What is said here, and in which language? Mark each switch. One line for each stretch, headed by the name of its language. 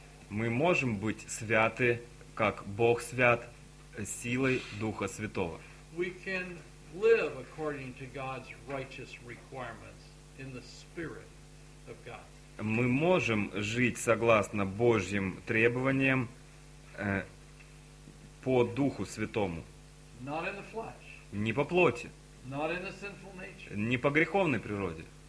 Russian: Мы можем быть святы, как Бог свят, силой Духа Святого.
English: We can live according to God's righteous requirements in the Spirit of God.
Russian: Мы можем жить согласно Божьим требованиям по Духу Святому.
English: Not in the flesh.
Russian: Не по плоти.
English: Not in the sinful nature.
Russian: Не по греховной природе.